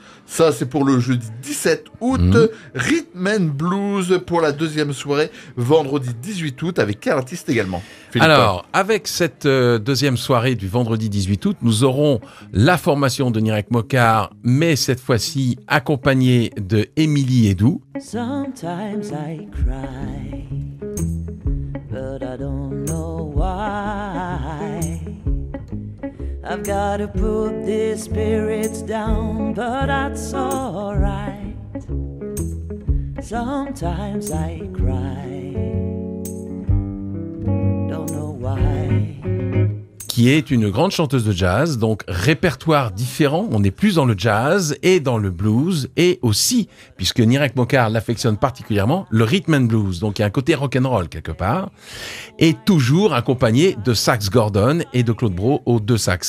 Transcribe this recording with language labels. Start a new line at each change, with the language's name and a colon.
French: Ça, c'est pour le jeudi 17 août. Rhythm and Blues pour la deuxième soirée, vendredi 18 août, avec quel artiste également, Philippe? Alors, avec cette deuxième soirée du vendredi 18 août, nous aurons la formation de Nirek Mokar, mais cette fois-ci accompagnée de Émilie Edoux.
English: Sometimes I cry, but I don't know why. I've got to put these spirits down, but that's all right. Sometimes I cry, don't know why.
French: Qui est une grande chanteuse de jazz, donc répertoire différent. On est plus dans le jazz et dans le blues, et aussi, puisque Nirek Mokar l'affectionne particulièrement, le rhythm and blues, donc il y a un côté rock'n'roll quelque part, et toujours accompagné de Sax Gordon et de Claude Brault aux deux sax.